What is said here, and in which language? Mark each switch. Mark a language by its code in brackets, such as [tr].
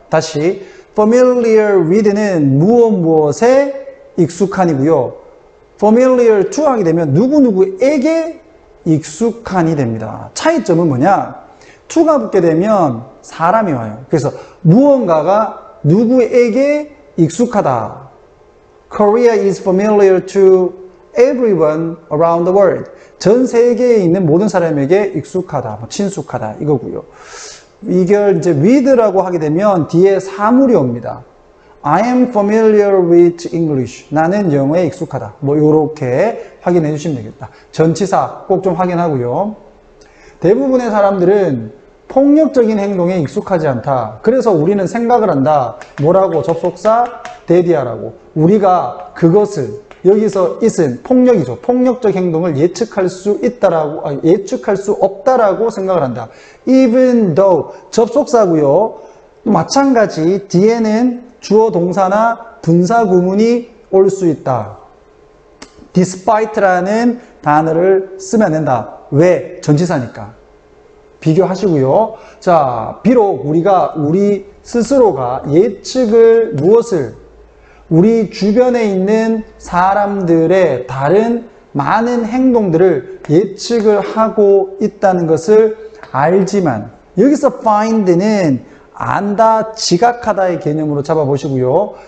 [ko] 다시 [en] familiar with [ko] 는 무엇 무엇에 익숙한이고요. [en] familiar to [ko] 하게 되면 누구누구에게 익숙한이 됩니다. 차이점은 뭐냐? to가 붙게 되면 사람이 와요. 그래서 무언가가 누구에게 익숙하다. [en] Korea is familiar to everyone around the world. [ko] 전 세계에 있는 모든 사람에게 익숙하다, 친숙하다 이거고요. 이걸 이제 with라고 하게 되면 뒤에 사물이 옵니다. [en] I am familiar with English. [ko] 나는 영어에 익숙하다. 뭐 이렇게 확인해 주시면 되겠다. 전치사 꼭 좀 확인하고요. 대부분의 사람들은 폭력적인 행동에 익숙하지 않다. 그래서 우리는 생각을 한다. 뭐라고? 접속사 대디아라고. 우리가 그것을 여기서 it은 폭력이죠. 폭력적 행동을 예측할 수 있다라고 예측할 수 없다라고 생각을 한다. [en] Even though [ko] 접속사고요. 마찬가지 뒤에는 주어 동사나 분사 구문이 올 수 있다. Despite라는 단어를 쓰면 안 된다. 왜? 전치사니까. 비교하시고요. 자, 비록 우리가 우리 스스로가 예측을 무엇을 우리 주변에 있는 사람들의 다른 많은 행동들을 예측을 하고 있다는 것을 알지만 여기서 find는 안다, 지각하다의 개념으로 잡아보시고요.